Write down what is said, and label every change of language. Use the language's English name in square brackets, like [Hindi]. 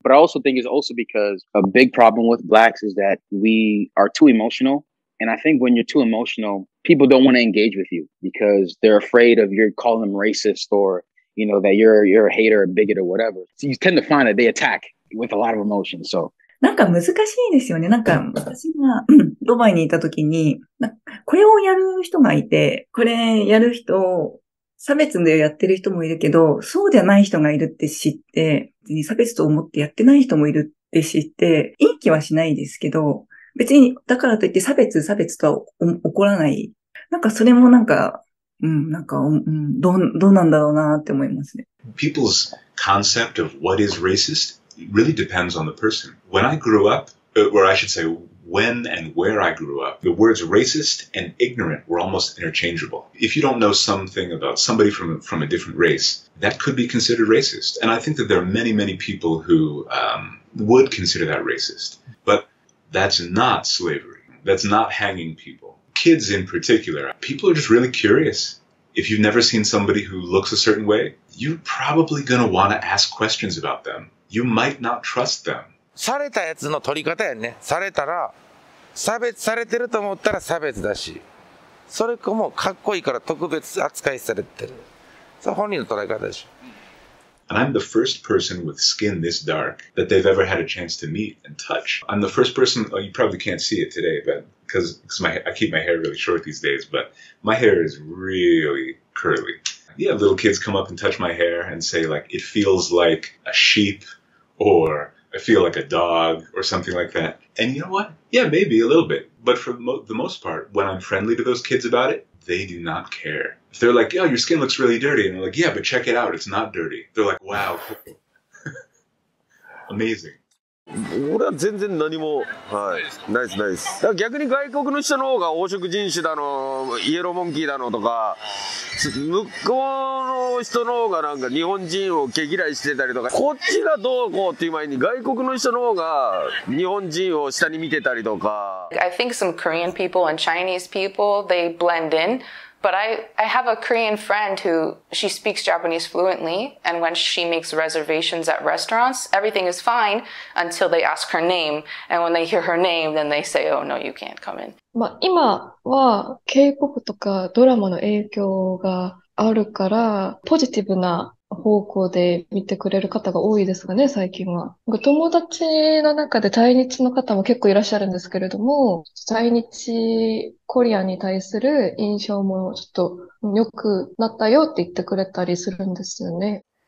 [English] But I also think it's also because a big problem with blacks is that we are too emotional. And I think when you're too emotional, people don't want to engage with you because they're afraid of you're calling them racist or, you know, that you're a hater, a bigot or whatever. So you tend to find that they attack with a lot of emotion. So. [Japanese] なんか難しいですよね。なんか私がドバイにいた時に、これをやる人がいて、これやる人、差別でやってる人もいるけど、そうじゃない人がいるって知って、別に差別と思ってやってない人もいるって知って、いい気はしないですけど、別にだからといって差別とは起こらない。なんかそれもなんか、なんか、どうなんだろうなって思いますね。 [English] People's concept of what is racist? It really depends on the person. When I grew up, or I should say, when and where I grew up, the words racist and ignorant were almost interchangeable. If you don't know something about somebody from a different race, that could be considered racist. And I think that there are many, many people who would consider that racist. But that's not slavery. That's not hanging people. Kids in particular, people are just really curious. If you've never seen somebody who looks a certain way, you're probably going to want to ask questions about them. You might not trust them. [Japanese] されたやつの取り方やね。されたら、差別されてると思ったら差別だし、それかもかっこいいから特別扱いされてる。それ本人の捉え方でしょ。 [English] And I'm the first person with skin this dark that they've ever had a chance to meet and touch. I'm the first person, oh, you probably can't see it today, but because I keep my hair really short these days, but my hair is really curly. Yeah, little kids come up and touch my hair and say, like, it feels like a sheep, or I feel like a dog, or something like that. And you know what? Yeah, maybe a little bit. But for the most part, when I'm friendly to those kids about it, they do not care. If they're like, oh, your skin looks really dirty, and they're like, yeah, but check it out, it's not dirty. They're like, wow, amazing. [Japanese] 俺は全然何も、はい、ないです、ないです。だから逆に外国の人の方が黄色人種だの、イエローモンキーだのとか、向こうの人の方がなんか日本人を毛嫌いしてたりとか、こっちがどうこうっていう前に外国の人の方が日本人を下に見てたりとか。 [English] I think some Korean people and Chinese people, they blend in. But I have a Korean friend who, she speaks Japanese fluently, and when she makes reservations at restaurants, everything is fine until they ask her name. And when they hear her name, then they say, oh no, you can't come in. [Japanese] まあ今は K-POP とかドラマの影響があるから、ポジティブな方向で見てくれる方が多いですがね、最近は。友達の中で対日の方も結構いらっしゃるんですけれども、対日コリアンに対する印象もちょっと良くなったよって言ってくれたりするんですよね。